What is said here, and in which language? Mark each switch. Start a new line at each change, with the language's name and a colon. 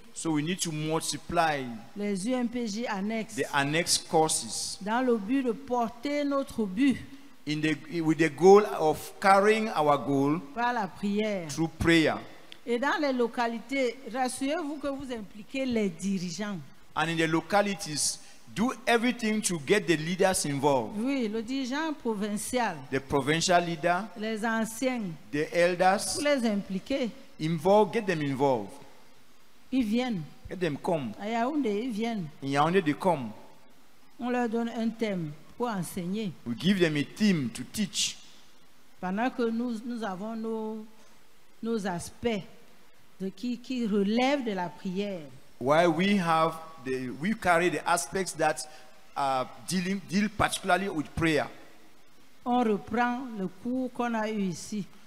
English: So we need to multiply.
French: Les UMPJ annexes.
English: The annex courses.
French: Dans le but de porter notre but.
English: With the goal of carrying our goal.
French: Par la prière.
English: Through prayer.
French: Et dans les localités, rassurez-vous que vous impliquez les dirigeants.
English: And in the localities, do everything to get the leaders involved.
French: Oui, le dirigeant provincial.
English: The provincial leader.
French: Les anciens.
English: The elders.
French: Vous les impliquez.
English: Involve, get them involved.
French: Ils viennent.
English: Get them come.
French: À Yaoundé, ils viennent.
English: In Yaoundé, they come.
French: On leur donne un thème pour enseigner.
English: We give them a theme to teach.
French: Pendant que nous avons nos aspects de qui relèvent de la prière.
English: While we carry the aspects that deal particularly with prayer.
French: On reprend le cours qu'on a eu ici.